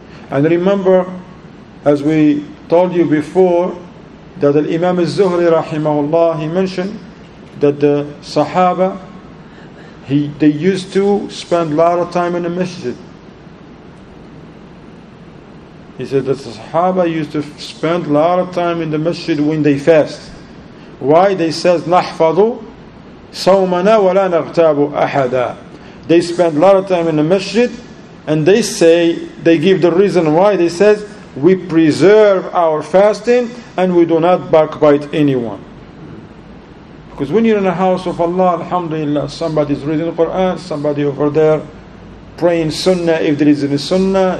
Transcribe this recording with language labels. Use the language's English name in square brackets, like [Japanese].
[English] And remember, as we told you before, that Imam al-Zuhri rahimahullah, he mentioned that the Sahaba, they used to spend a lot of time in the masjid. He said that the Sahaba used to spend a lot of time in the masjid when they fast. Why? [Arabic] They says نَحْفَظُ صَوْمَنَا وَلَا نَغْتَابُ أَحَدًا. [English] They spend a lot of time in the masjid, and they say, they give the reason why. They says, we preserve our fasting and we do not backbite anyone. Because when you're in the house of Allah, alhamdulillah, somebody's reading the Quran, somebody over there praying sunnah, if there is any sunnah.